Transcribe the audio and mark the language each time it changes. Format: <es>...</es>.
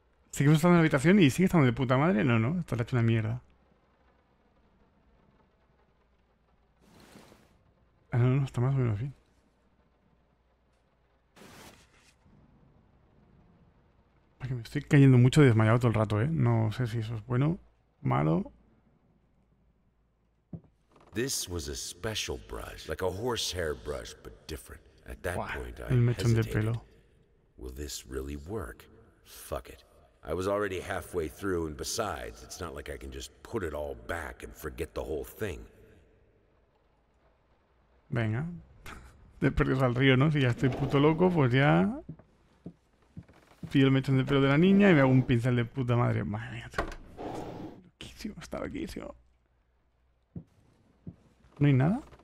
<es>¿Seguimos estando en la habitación y sigue estando de puta madre? No, no, esto le ha hecho una mierda. Ah, no, no, está más o menos bien. Porque me estoy cayendo mucho desmayado todo el rato, ¿eh? No sé si eso es bueno, malo.</es> <en>This was a special brush, like a horsehair brush, but different. At that point, I hesitated. Will this really work? Fuck it. I was already halfway through, and besides, it's not like I can just put it all back and forget the whole thing.</en> <es>Venga. De perdidos al río, ¿no? Si ya estoy puto loco, pues ya... Pido el mechón de pelo de la niña y me hago un pincel de puta madre. Madre mía. Loquísimo, está loquísimo. ¿No hay nada?</es>